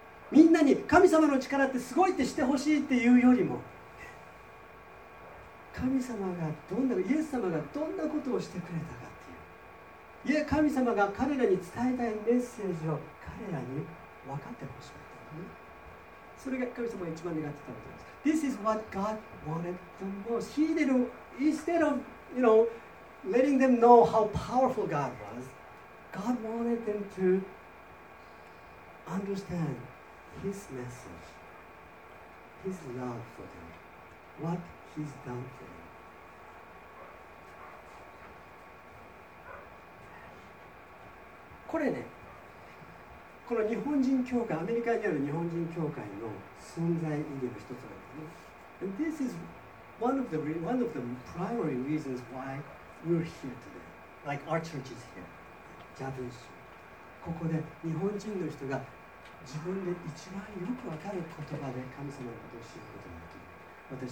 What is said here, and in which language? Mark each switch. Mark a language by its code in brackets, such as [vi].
[ja] みんなに神様の力ってすごいってしてほしいっていうよりも、神様がどんな、イエス様がどんなことをしてくれたかっていう、いや神様が彼らに伝えたいメッセージを彼らに分かってほしかった、ね、それが神様が一番願ってたことです。 [en] This is what God wanted the most. He did, instead of, you know, letting them know how powerful God was, God wanted them to understand His message, His love for them, whatHe's done for you. [ja] これね、この日本人教会、アメリカにある日本人教会の存在意義の一つなんですね。 [en] And this is one of the primary reasons why we're here today. Like our church is here. Japanese. [ja] ここで日本人の人が自分で一番よくわかる言葉で神様のことを知ることができる。